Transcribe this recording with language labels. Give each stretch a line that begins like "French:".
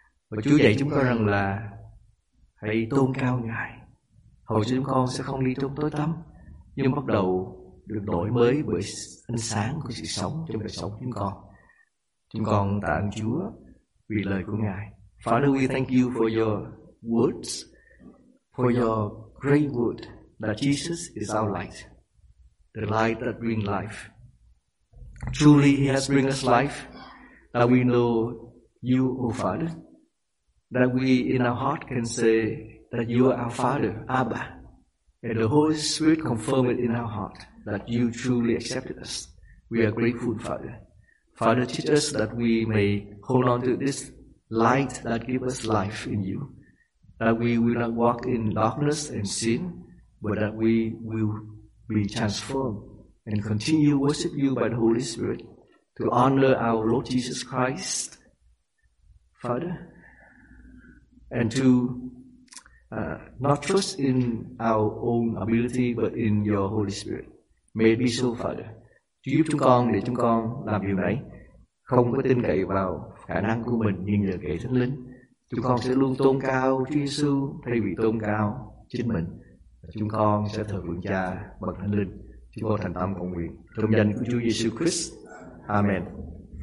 Vietnamese: Và Chúa dạy chúng con rằng là hãy tôn cao Ngài, hầu cho chúng con sẽ không đi trong tối tăm, nhưng bắt đầu được đổi mới bởi ánh sáng của sự sống trong đời sống chúng con. Chúng con tạ ơn Chúa vì lời của Ngài.
English: Father, we thank you for your words, for your great word, that Jesus is our light, the light that brings life. Truly, He has brought us life, that we know you, O Father, that we in our heart can say that you are our Father, Abba, and the Holy Spirit confirm it in our heart that you truly accepted us. We are grateful, Father. Father, teach us that we may hold on to this light that gives us life in you, that we will not walk in darkness and sin, but that we will be transformed and continue worship you by the Holy Spirit to honor our Lord Jesus Christ, Father, and to not trust in our own ability, but in your Holy Spirit. May it be so, Father.
Vietnamese: Giúp chúng con để chúng con làm điều này, không có tin cậy vào khả năng của mình, nhưng nhờ cậy Thánh Linh. Chúng con sẽ luôn tôn cao Chúa Giêsu thay vì tôn cao chính mình. Chúng con sẽ thờ phượng Cha bằng Thánh Linh. Chúng con thành tâm cầu nguyện trong danh của Chúa Giêsu Christ. Amen.